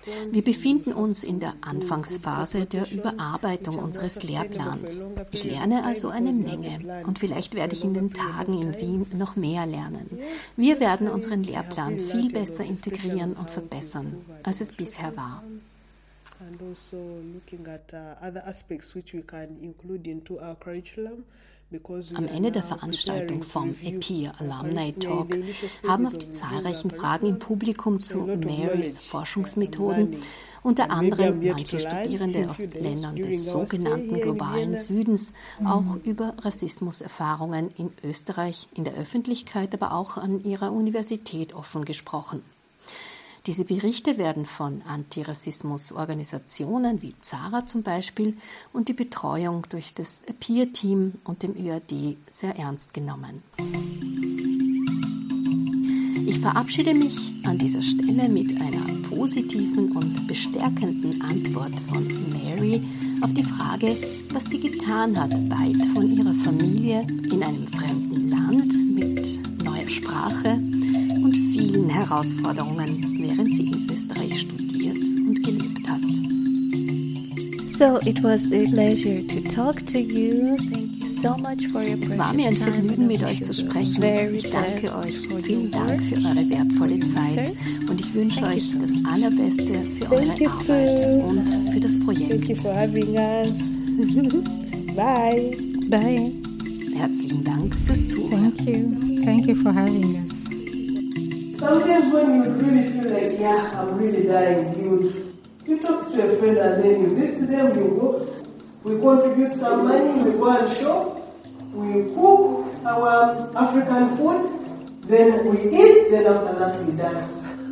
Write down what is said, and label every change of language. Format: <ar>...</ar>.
<de>Wir befinden uns in der Anfangsphase der Überarbeitung unseres Lehrplans. Ich lerne also eine Menge und vielleicht werde ich in den Tagen in Wien noch mehr lernen. Wir werden unseren Lehrplan viel besser integrieren und verbessern, als es bisher war.</de> <en>And also looking at other aspects which we can include into our curriculum.</en> <de>Am Ende der Veranstaltung vom APEAR Alumni Talk haben auf die zahlreichen Fragen im Publikum zu Marys Forschungsmethoden unter anderem manche Studierende aus Ländern des sogenannten globalen Südens auch über Rassismuserfahrungen in Österreich, in der Öffentlichkeit, aber auch an ihrer Universität offen gesprochen. Diese Berichte werden von Antirassismusorganisationen wie ZARA zum Beispiel und die Betreuung durch das APEAR-Team und dem ÖAD sehr ernst genommen. Ich verabschiede mich an dieser Stelle mit einer positiven und bestärkenden Antwort von Mary auf die Frage, was sie getan hat, weit von ihrer Familie, in einem fremden Land, mit neuer Sprache und vielen Herausforderungen, während sie in Österreich studiert und gelebt hat.</de> <en>So, it was a pleasure to talk to you. So much for your</en> <de>es war mir ein Vergnügen, mit euch zu sprechen. Ich danke euch. Vielen Dank für eure wertvolle Zeit. Und ich wünsche euch das Allerbeste für eure Arbeit und für das Projekt.</de> <en>Thank you for having us. Bye. Bye.</en> <de>Herzlichen Dank fürs Zuhören.</de> <en>Thank you. Thank you for having us. Sometimes when you really feel like, yeah, I'm really dying, you talk to a friend and then you visit them, you go. We contribute some money, we go and shop, we cook our African food, then we eat, then after that we dance.</en>